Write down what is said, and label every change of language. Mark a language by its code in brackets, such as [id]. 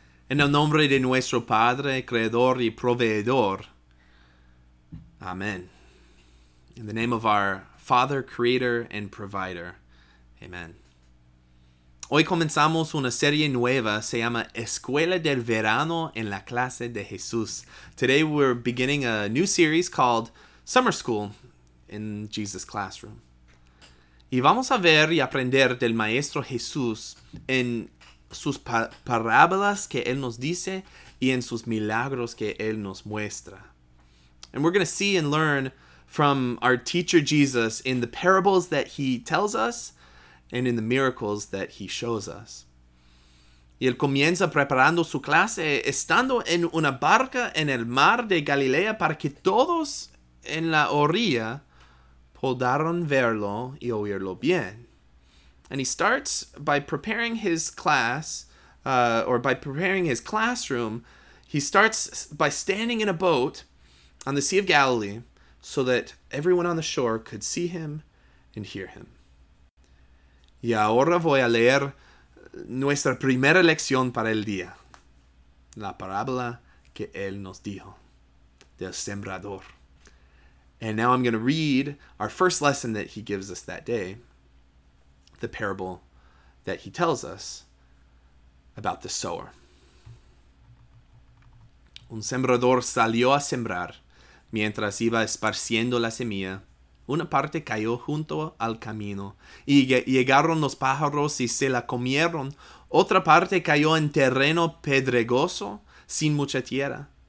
[es] En el nombre de nuestro Padre, Creador y Proveedor. Amen. [en] In the name of our Father, Creator and Provider. Amen. [es] Hoy comenzamos una serie nueva, se llama Escuela del Verano en la Clase de Jesús. [en] Today we're beginning a new series called Summer School in Jesus Classroom. [es] Y vamos a ver y aprender del Maestro Jesús en sus parábolas que Él nos dice y en sus milagros que Él nos muestra. [en] And we're going to see and learn from our teacher Jesus in the parables that He tells us and in the miracles that He shows us. [es] Y Él comienza preparando su clase estando en una barca en el mar de Galilea para que todos en la orilla podaron verlo y oírlo bien. [en] And he starts by preparing his class, or by preparing his classroom, he starts by standing in a boat on the Sea of Galilee so that everyone on the shore could see him and hear him. [es] Y ahora voy a leer nuestra primera lección para el día, la parábola que él nos dijo, del sembrador. [en] And now I'm going to read our first lesson that he gives us that day, the parable that he tells us about the sower. [es] Un sembrador salió a sembrar. Mientras iba esparciendo la semilla, una parte cayó junto al camino, y llegaron los pájaros y se la comieron. Otra parte cayó en terreno pedregoso, sin mucha tierra.